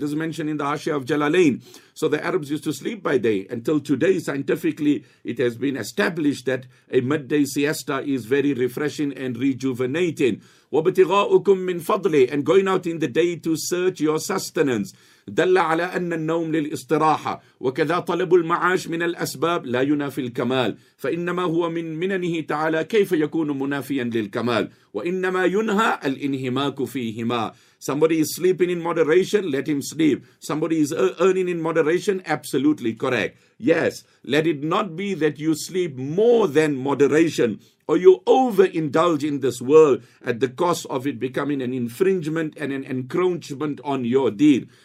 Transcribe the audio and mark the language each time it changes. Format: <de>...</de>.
<en>This is mentioned in the Hashiyah of Jalalain. So the Arabs used to sleep by day. Until today, scientifically, it has been established that a midday siesta is very refreshing and rejuvenating.</en> <ar>وَبْتِغَاءُكُمْ مِنْ فَضْلِ.</ar> <en>And going out in the day to search your sustenance.</en> <ar>دل على أن النوم للاستراحة وكذا طلب المعاش من الأسباب لا ينافي الكمال فإنما هو من مننه تعالى كيف يكون منافيا للكمال وإنما ينهى الانهماك فيهما.</ar> <en>Somebody is sleeping in moderation, let him sleep. Somebody is earning in moderation, absolutely correct. Yes, let it not be that you sleep more than moderation, or you overindulge in this world at the cost of it becoming an infringement and an encroachment on your deen.</en>